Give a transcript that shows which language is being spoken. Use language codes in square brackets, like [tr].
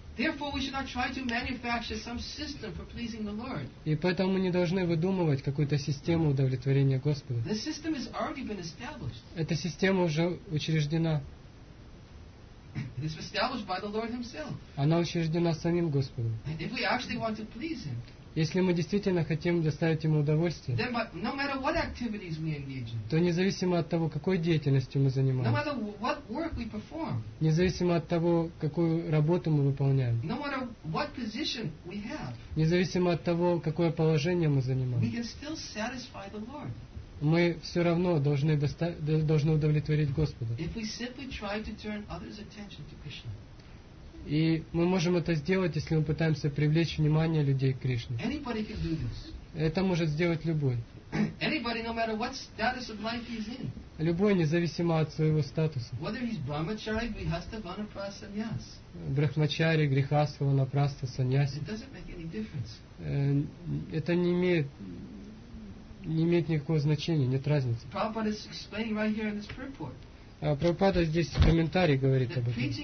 [en] Therefore, we should not try to manufacture some system for pleasing the Lord. [ru] И поэтому мы не должны выдумывать какую-то систему удовлетворения Господа. [en] The system has already been established. [ru] Эта система уже учреждена. [en] It is established by the Lord Himself. [ru] Она учреждена самим Господом. [en] And if we actually want to please Him, [ru] если мы действительно хотим доставить Ему удовольствие, [en] then no matter what activities we engage in, [ru] то независимо от того, какой деятельностью мы занимаемся, [en] no matter what work we perform, [ru] независимо от того, какую работу мы выполняем, [en] no matter what position we have, [ru] независимо от того, какое положение мы занимаем, [en] we can still satisfy the Lord. [ru] Мы все равно должны удовлетворить Господа. [en] If we simply try to turn others' attention to Krishna. [ru] И мы можем это сделать, если мы пытаемся привлечь внимание людей к Кришне. [en] Anybody can do this. [ru] Это может сделать любой. [en] Anybody, no matter what status of life he's in. [ru] Любой, независимо от своего статуса. [en] Whether he's brahmachari, grihastha, vanaprastha, sannyas. [ru] Брахмачари, грихастха, ванапрастха, саньяси. [en] It doesn't make any difference. [ru] Это не имеет. Не имеет никакого значения, нет разницы. Прабхупада здесь в комментарии говорит об этом.